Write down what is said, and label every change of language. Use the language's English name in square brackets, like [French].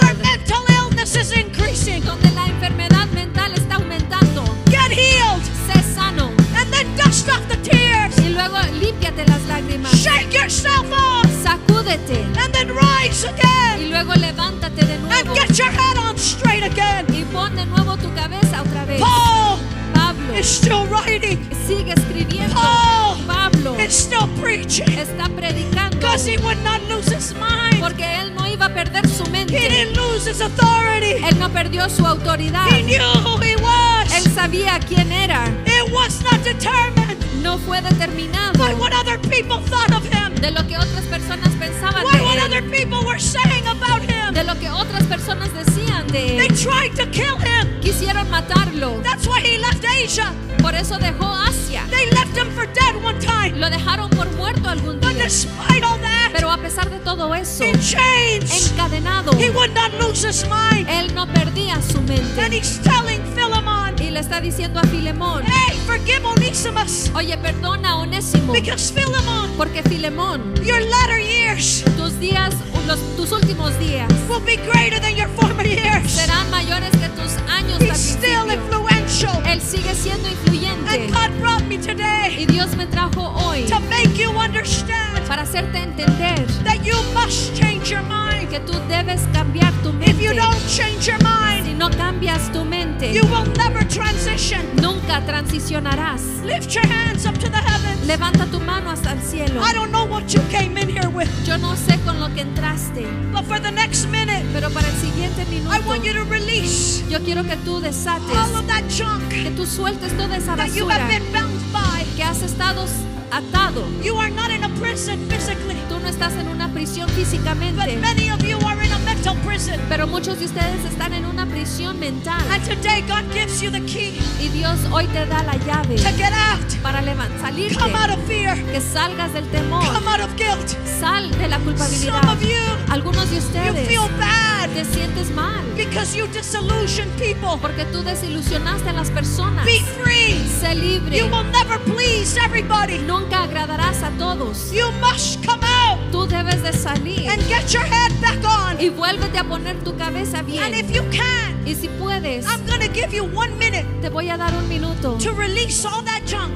[English] Where mental illness is increasing. [Spanish] Donde la enfermedad mental está aumentando. [English] Get healed. [Spanish] Sé sano. [English] And then dust off the tears. [Spanish] Y luego límpiate las lágrimas. [English] Shake yourself off. [Spanish] Sacúdete. [English] And then rise again. [Spanish] Y luego levántate de nuevo. [English] And get your head on straight again. [Spanish] Y pon de nuevo tu cabeza otra vez. [English] Paul. [Spanish] Pablo. [English] Is still writing. [Spanish] Sigue escribiendo. [English] Paul. [Spanish] Pablo. [English] Is still preaching. [Spanish] Está predicando. [English] Because he would not lose his mind. [Spanish] Porque él no iba a perder su mente. [English] He didn't lose his authority. [Spanish] Él no perdió su autoridad. [English] He knew who he was. [Spanish] Él sabía quién era. [English] It was not determined. [Spanish] No fue determinado. [English] By what other people thought of him. [Spanish] De lo que otras personas pensaban [English] by [Spanish] de él. [English] What other people were saying about him. [Spanish] De lo que otras personas decían de él. [English] They tried to kill him. [Spanish] Quisieron matarlo. [English] That's why he left Asia. [Spanish] Por eso dejó Asia. [English] They left him for dead one time. [Spanish] Lo dejaron por muerto algún día. [English] But despite all that, [Spanish] pero a pesar de todo eso, [English] in chains, [Spanish] encadenado, [English] he would not lose his mind. [Spanish] Él no perdía su mente. [English] And he's telling Philemon, [Spanish] y le está diciendo a Filemón, [English] hey, forgive Onesimus. [Spanish] Oye, perdona Onésimo. [English] Because Philemon, [Spanish] porque Filemón, [English] your latter years, [Spanish] tus días, tus últimos días, [English] will be greater than your former years. [Spanish] Serán mayores que tus años. [English] He's still influential. [Spanish] Él sigue siendo influyente. [English] And God brought me today, [Spanish] y Dios me trajo hoy, [English] to make you understand, [Spanish] para hacerte entender, [English] that you must change your mind. [Spanish] Que tú debes cambiar tu mente. [English] If you don't change your mind, [Spanish] si no cambias tu mente, [English] you will never transition. [Spanish] Nunca transicionarás. [English] Lift your hands up to the heavens. [Spanish] Levanta tu mano hasta el cielo. [English] I don't know what you came in here with. [Spanish] Yo no sé con lo que entraste. [English] But for the next minute, [Spanish] pero para el siguiente minuto, [English] I want you to release. [Spanish] Yo quiero que tú desates. [English] All of that junk. [Spanish] Que tú sueltes toda esa basura. [English] That you have been bound by. [Spanish] Que has estado atado. [English] You are not in a prison physically. [Spanish] Tú no estás en una prisión físicamente. [English] But many of you are in a mental prison. [Spanish] Pero muchos de ustedes están en una prisión mental. [English] And today God gives you the key. [Spanish] Y Dios hoy te da la llave. [English] To get out. [Spanish] Para salirte. [English] Come out of fear. [Spanish] Que salgas del temor. [English] Come out of guilt. [Spanish] Sal de la culpabilidad. [English] Some of you, [Spanish] algunos de ustedes, [English] you feel bad. [Spanish] Te sientes mal. [English] Because you disillusioned people. [Spanish] Porque tú desilusionaste a las personas. [English] Be free. [Spanish] Sé libre. [English] You will never please everybody. [Spanish] Nunca agradarás a todos. [English] You must come out. [Spanish] Tú debes de salir. [English] And get your head back on. [Spanish] Y vuélvete a poner tu cabeza bien. [English] And if you can, [Spanish] y si puedes, [English] I'm gonna give you 1 minute. [Spanish] Te voy a dar un minuto. [English] To release all that junk.